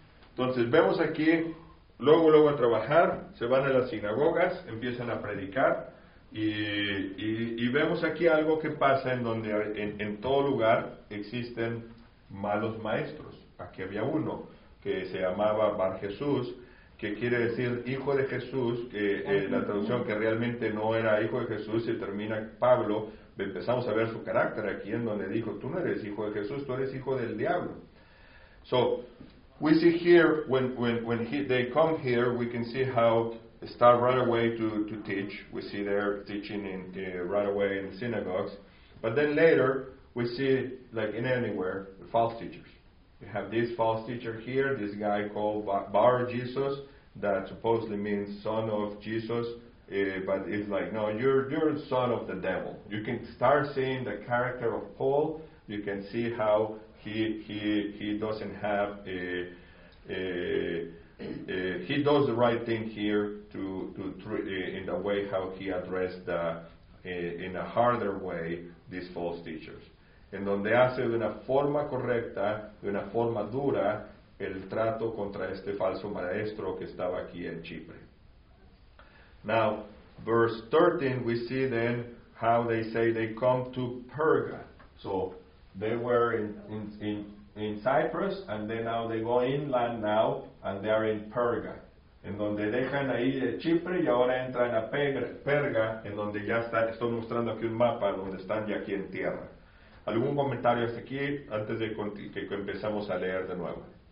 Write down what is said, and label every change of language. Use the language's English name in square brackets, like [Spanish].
[Spanish] Entonces vemos aquí, luego a trabajar, se van a las sinagogas, empiezan a predicar, y vemos aquí algo que pasa en donde en todo lugar existen malos maestros. Aquí había uno que se llamaba Bar Jesús, que quiere decir hijo de Jesús, la traducción que realmente no era hijo de Jesús, y termina Pablo, empezamos a ver su carácter aquí en donde dijo, tú no eres hijo de Jesús, tú eres hijo del diablo. [English] So, we see here, when they come here, we can see how they start right away to teach. We see their teaching in right away in the synagogues. But then later, we see, like in anywhere, the false teachers. You have this false teacher here, this guy called Bar Jesus, that supposedly means son of Jesus, but it's like, no, you're son of the devil. You can start seeing the character of Paul. You can see how he doesn't have he does the right thing here in the way how he addressed in a harder way these false teachers. [Spanish] En donde hace de una forma correcta, de una forma dura, el trato contra este falso maestro que estaba aquí en Chipre. [English] Now, verse 13, we see then how they say they come to Perga. So, they were in Cyprus, and then now they go inland now, and they are in Perga. [Spanish] En donde dejan ahí de Chipre y ahora entran a Perga, en donde ya está, estoy mostrando aquí un mapa donde están ya aquí en tierra. ¿Algún comentario hasta aquí antes de que empezamos a leer de nuevo?